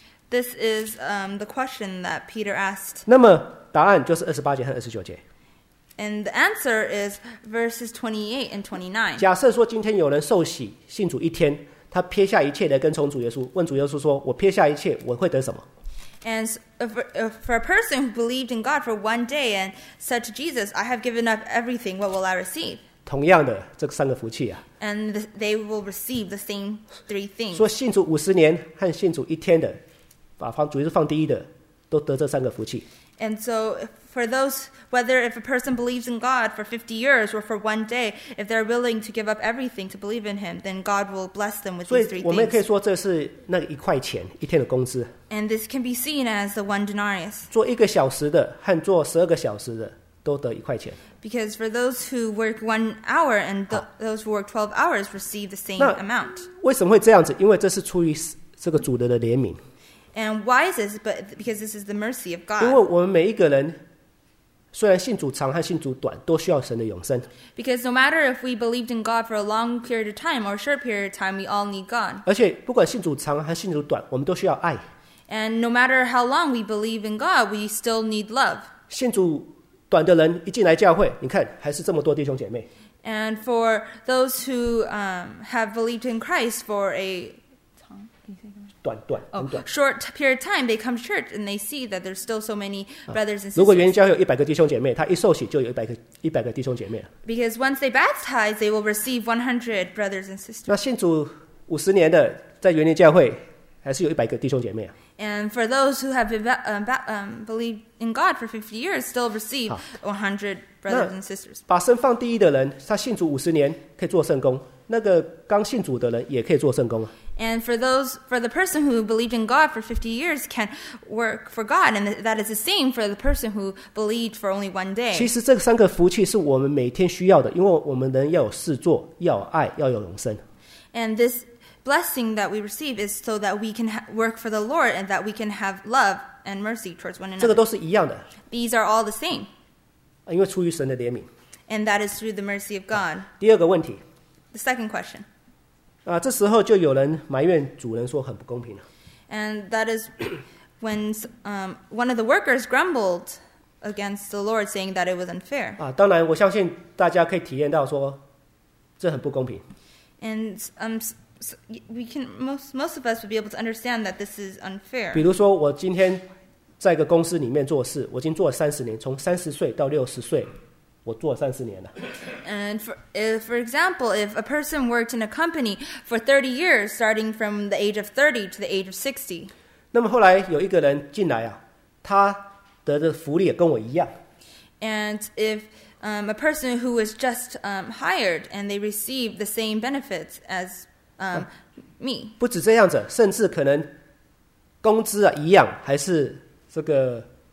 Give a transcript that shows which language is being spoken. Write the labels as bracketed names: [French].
[English] This is the question that Peter asked. [Chinese] 那么答案就是28节和29节。 [English] And the answer is verses 28 and 29. [Chinese] 假设说今天有人受洗信主一天，他撇下一切的跟从主耶稣，问主耶稣说，我撇下一切，我会得什么？ [English] And for a person who believed in God for one day and said to Jesus, I have given up everything, what will I receive? [Chinese] 同样的这三个福气啊。 [English] And they will receive the same three things. [Chinese] 说信主五十年和信主一天的，把主耶稣放第一的，都得这三个福气。 [English] And so for those, whether if a person believes in God for 50 years or for one day, if they're willing to give up everything to believe in him, then God will bless them with these three things. [Chinese] 我们也可以说这是那一块钱一天的工资。 [English] And this can be seen as the one denarius. [Chinese] 做一个小时的和做十二个小时的都得一块钱。 [English] Because for those who work 1 hour and those who work 12 hours receive the same amount. [Chinese] 为什么会这样子？因为这是出于这个主人的怜悯。 [English] And why is this? But because this is the mercy of God. [Chinese] 因为我们每一个人虽然信主长和信主短都需要神的永生。 [English] Because no matter if we believed in God for a long period of time or a short period of time, we all need God. [Chinese] 而且不管信主长和信主短，我们都需要爱。 [English] And no matter how long we believe in God, we still need love. [Chinese] 信主短的人一进来教会，你看还是这么多弟兄姐妹。 [English] And for those who have believed in Christ for a [Chinese] 短很短 [English] short period of time, they come to church and they see that there's still so many brothers and sisters. [Chinese] 如果原教会有一百个弟兄姐妹，他一受洗就有一百个弟兄姐妹了。 [English] Because once they baptize, they will receive 100 brothers and sisters. [Chinese] 那信主五十年的在原教会。还是有一百个弟兄姐妹啊。 [English] And for those who have believed in God for 50 years, still receive 100 brothers and sisters. [Chinese] 把身放第一的人，他信主50年可以做圣工，那个刚信主的人也可以做圣工啊。 [English] And for the person who believed in God for 50 years can work for God, and that is the same for the person who believed for only one day. [Chinese] 其实这三个福气是我们每天需要的，因为我们人要有事做，要有爱，要有永生。 [English] And this blessing that we receive is so that we can work for the Lord and that we can have love and mercy towards one another. [Chinese] 这个都是一样的。 [English] These are all the same. [Chinese] 因为出于神的怜悯。 [English] And that is through the mercy of God. [Chinese] 第二个问题。 [English] The second question. [Chinese] 这时候就有人埋怨主人说很不公平了。 [English] And that is when one of the workers grumbled against the Lord, saying that it was unfair. [Chinese] 当然，我相信大家可以体验到说这很不公平。 [English] And we can most of us would be able to understand that this is unfair. [Chinese] 比如说，我今天在一个公司里面做事，我已经做了三十年，从三十岁到六十岁。我做三十年了。 [English] And for example, if a person worked in a company for 30 years, starting from the age of 30 to the age of 60. [Chinese] 那么后来有一个人进来啊，他得的福利也跟我一样。 [English] And if a person who was just hired and they received the same benefits as me. [Chinese] 不止这样子，甚至可能工资啊一样，还是这个。